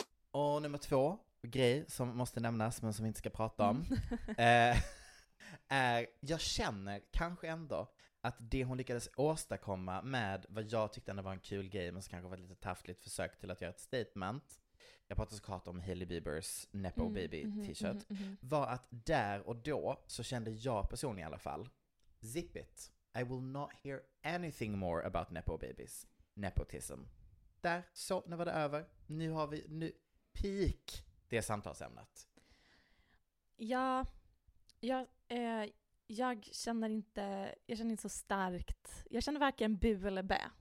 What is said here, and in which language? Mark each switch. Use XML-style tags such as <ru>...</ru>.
<sv>Och nummer två grej som måste nämnas men som vi inte ska prata om är jag känner kanske ändå att det hon lyckades åstadkomma med vad jag tyckte ändå var en kul grej men som kanske var ett lite taftligt försök till att göra ett statement. Jag pratade såklart om Hailey Biebers Nepo Baby t-shirt. Var att där och då så kände jag personligen i alla fall</sv> <en>zip it. I will not hear anything more about Nepo Babies.</en> <sv>Nepotism. Där, så, nu var det över. Nu har vi, nu, peak det samtalsämnet. Ja, jag känner inte så starkt. Jag känner varken bu eller bä.</sv>